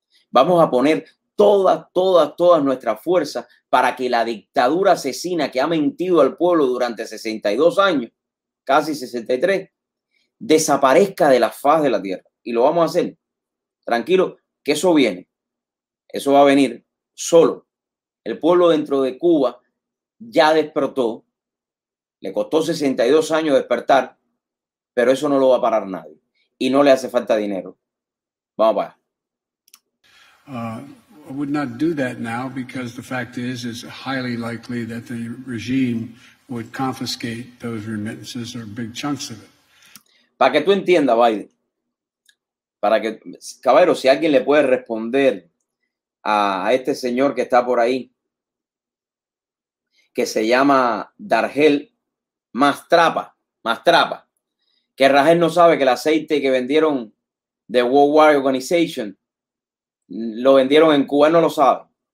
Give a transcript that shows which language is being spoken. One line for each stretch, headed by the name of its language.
Spanish: Vamos a poner todas nuestras fuerzas para que la dictadura asesina que ha mentido al pueblo durante 62 años, casi 63, desaparezca de la faz de la tierra. Y lo vamos a hacer. Tranquilo, que eso viene. Eso va a venir solo. El pueblo dentro de Cuba ya despertó, le costó 62 años despertar, pero eso no lo va a parar nadie y no le hace falta dinero. Vamos para allá.
English: I would not do that now because the fact is it's highly likely that the regime would confiscate those remittances or big chunks of it.
Spanish: Para que tú entiendas, Biden, para que, caballero, si alguien le puede responder a este señor que está por ahí, que se llama Dariel Mastrapa, que Rajel no sabe que el aceite que vendieron de World War Organization lo vendieron en Cuba, él no lo sabe.